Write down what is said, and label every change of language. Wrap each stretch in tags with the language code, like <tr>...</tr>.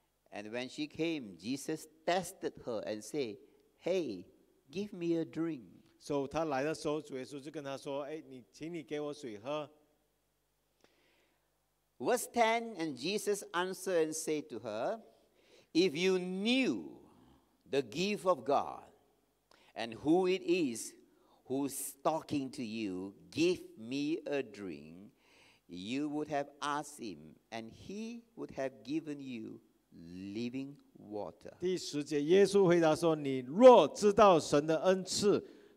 <en>And when she came, Jesus tested her and said, "Hey, give me a drink."</en> <zh>So 他来的时候，主耶稣就跟他说：“哎，你请你给我水喝。”</zh> <en>Verse 10, and Jesus answered and said to her, "If you knew the gift of God and who it is who's talking to you, give me a drink, you would have asked him, and he would have given you living water."</en> <zh>第十节，耶稣回答说：“你若知道神的恩赐。”</zh>